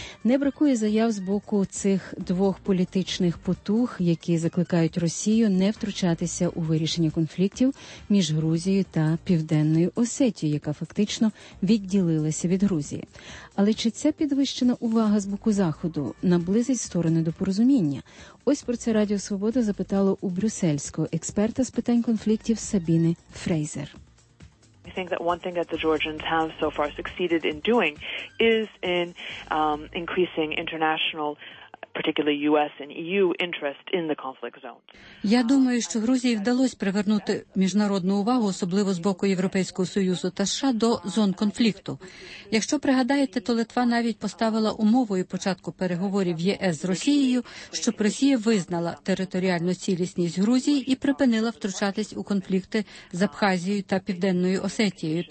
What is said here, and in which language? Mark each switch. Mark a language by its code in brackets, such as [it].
[uk] Не бракує заяв з боку цих двох політичних потуг, які закликають Росію не втручатися у вирішення конфліктів між Грузією та Південною Осетією, яка фактично відділилася від Грузії. Але чи ця підвищена увага з боку Заходу наблизить сторони до порозуміння? Ось про це Радіо Свобода запитало у брюссельського експерта з питань конфліктів Сабіни Фрейзер. [en] Think that one thing that the Georgians have so far succeeded in doing is in increasing international, particularly US and EU interest in the conflict zones. [uk] Я думаю, що Грузії вдалось привернути міжнародну увагу, особливо з боку Європейського Союзу та США, до зон конфлікту. Якщо пригадаєте, то Литва навіть поставила умовою початку переговорів ЄС з Росією, щоб Росія визнала територіальну цілісність Грузії і припинила втручатись у конфлікти з Абхазією та Південною Осетією.